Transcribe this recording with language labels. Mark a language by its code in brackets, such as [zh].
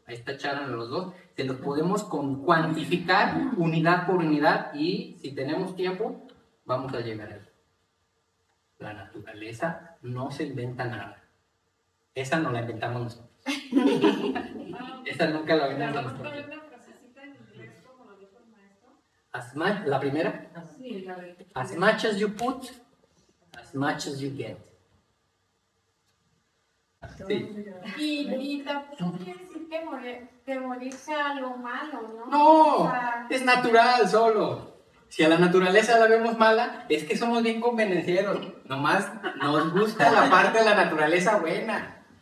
[es] Ahí está Charan, los dos. Se los podemos cuantificar unidad por unidad y si tenemos tiempo, vamos a llegar a eso. La naturaleza no se inventa nada. Esa no la inventamos nosotros. Esa nunca la inventamos nosotros. ¿La frasecita en inglés como lo dijo el maestro? [en] As much, [es] ¿la primera? [en] As much as you put, as much as you get. [es] Sí. Y tú quieres decir que morirse a lo malo, ¿no? No, o sea, es natural solo. Si a la naturaleza la vemos mala, es que somos bien convencieros. Nomás nos gusta la parte de la naturaleza buena.